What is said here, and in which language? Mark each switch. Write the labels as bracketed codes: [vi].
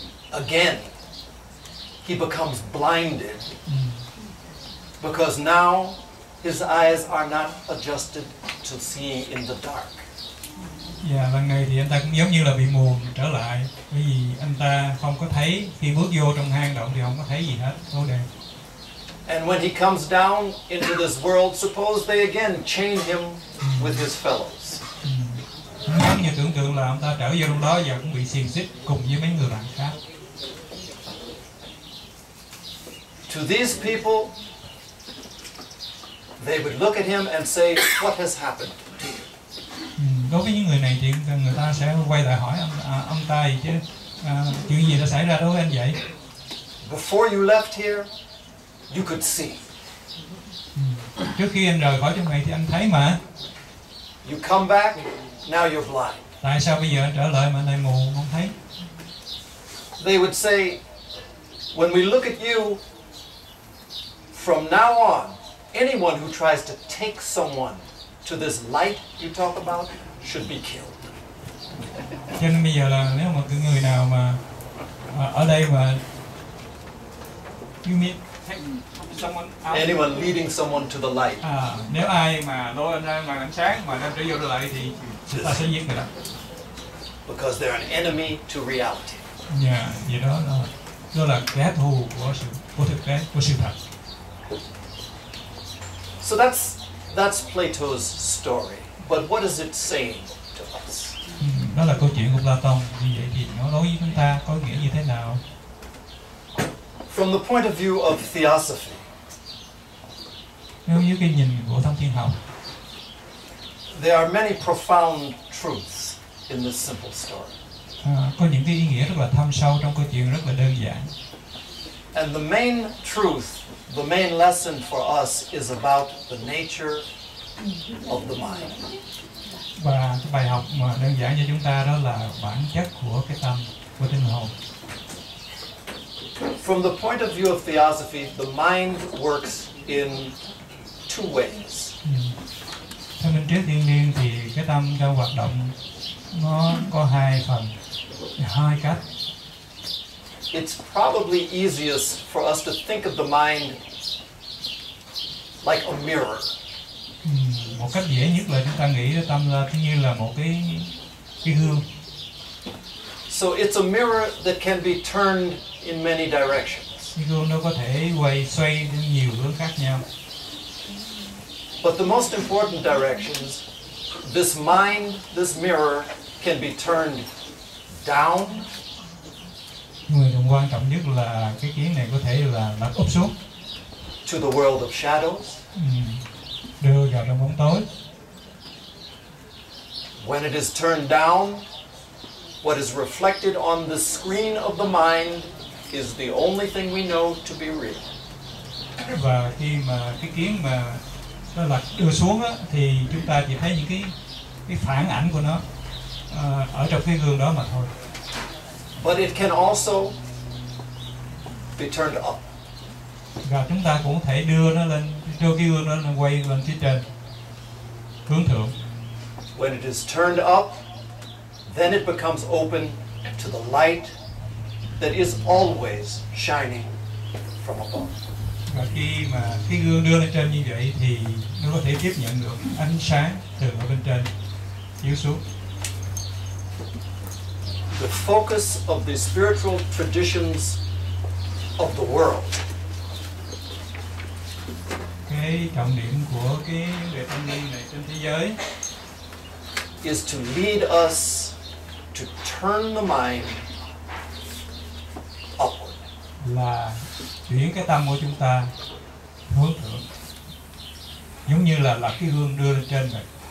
[en] Again, he becomes blinded because now his eyes are not adjusted to seeing in the dark. [vi] Và lần này thì anh ta cũng giống như là bị mù trở lại, bởi vì anh ta không có thấy, khi bước vô trong hang động thì không có thấy gì hết, không đèn. [en] And when he comes down into this world, suppose they again chain him with his fellows. [vi] Giống như tưởng tượng là ông ta trở vô trong đó và cũng bị xiềng xích cùng với mấy người bạn khác. [en] To these people, they would look at him and say, what has happened? [vi] Đối với những người này thì người ta sẽ quay lại hỏi ông ta gì chứ, chuyện gì đã xảy ra đối với anh vậy? [en] Before you left here, you could see. [vi] Trước khi anh rời khỏi trong này thì anh thấy mà. [en] You come back, now you're blind. [vi] Tại sao bây giờ anh trở lại mà anh lại mù, không thấy? [en] They would say, when we look at you, from now on, anyone who tries to take someone to this light you talk about should be killed. [vi] Cho nên bây giờ là nếu một cái người nào mà ở đây mà [en] you meet someone anyone leading someone to the light. [vi] Nếu ai mà lôi anh ra ngoài ánh sáng mà đem trở vô lại thì chúng ta sẽ giết người đó. [en] Because they're an enemy to reality. Yeah, you know, [vi] đó là kẻ thù của thực tế, của sự thật. [en] So that's Plato's story. But what is it saying to us? [vi] Đó là câu chuyện của Plato. Như vậy thì nó nói với chúng ta có nghĩa như thế nào? [en] From the point of view of theosophy. [vi] Theo như cái nhìn của thông thiên học. [en] There are many profound truths in this simple story. [vi] Có những cái ý nghĩa rất là thâm sâu trong câu chuyện rất là đơn giản. [en] And the main truth, the main lesson for us is about the nature of the mind. [vi] Và cái bài học mà đơn giản cho chúng ta đó là bản chất của cái tâm, của tinh hồn. [en] From the point of view of theosophy, the mind works in two ways. [vi] Theo mình trước thiên niên thì cái tâm đang hoạt động nó có hai phần, hai cách. [en] It's probably easiest for us to think of the mind like a mirror. [vi] Một cách dễ nhất là chúng ta nghĩ tâm là thiên nhiên là một cái gương. [en] So it's a mirror that can be turned in many directions. [vi] Cái gương nó có thể quay xoay đến nhiều hướng khác nhau. [en] But the most important directions, this mind, this mirror, can be turned down. [vi] Nhưng mà quan trọng nhất là cái kiến này có thể là lật úp xuống. [en] To the world of shadows. [vi] Đưa vào trong bóng tối. [en] When it is turned down, what is reflected on the screen of the mind is the only thing we know to be real. [vi] Và khi mà cái kiến mà nó lật đưa xuống á, thì chúng ta chỉ thấy những cái phản ảnh của nó ở trong cái gương đó mà thôi. [en] But it can also be turned up. [vi] Và chúng ta cũng có thể đưa nó lên, đưa cái gương đó nó quay lên phía trên, hướng thượng. [en] When it is turned up, then it becomes open to the light that is always shining from above. [vi] Và khi mà cái gương đưa lên trên như vậy thì nó có thể tiếp nhận được ánh sáng từ ở bên trên chiếu xuống. [en] The focus of the spiritual traditions of the world. [vi] Cái trọng điểm của cái đề tâm linh này trên thế giới [en] is to lead us to turn the mind upward. [vi] Là chuyển cái tâm của chúng ta hướng thượng. Giống như là cái gương đưa lên trên vậy.